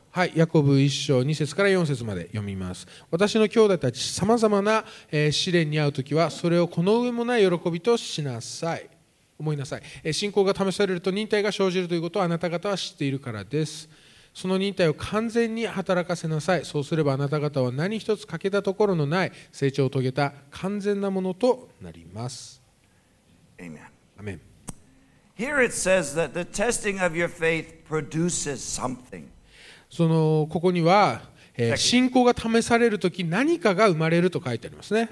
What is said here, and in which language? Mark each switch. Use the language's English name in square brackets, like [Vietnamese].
[Japanese] はい、ヤコブ1章2節から4節まで読みます。私の兄弟たち、さまざまな、試練に遭うときはそれをこの上もない喜びとしなさい、思いなさい、信仰が試されると忍耐が生じるということをあなた方は知っているからです。その忍耐を完全に働かせなさい。そうすればあなた方は何一つ欠けたところのない成長を遂げた完全なものとなります。 [English] Amen. Amen. Here it says that the testing of your faith produces something. [Japanese] そのここには、信仰が試されるとき何かが生まれると書いてありますね。